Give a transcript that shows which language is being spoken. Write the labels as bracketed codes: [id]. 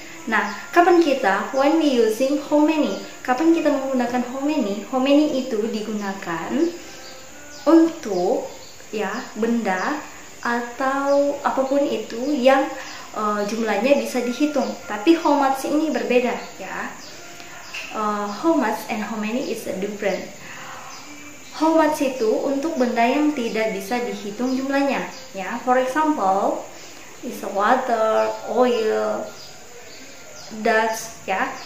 [id] Nah, kapan kita [en] when we using how many? [id] Kapan kita menggunakan how many? How many itu digunakan untuk ya benda atau apapun itu yang jumlahnya bisa dihitung. Tapi how much ini berbeda, ya. [en] How much and how many is a different. [id] How much itu untuk benda yang tidak bisa dihitung jumlahnya, ya. [en] For example, is water, oil, dust, ya.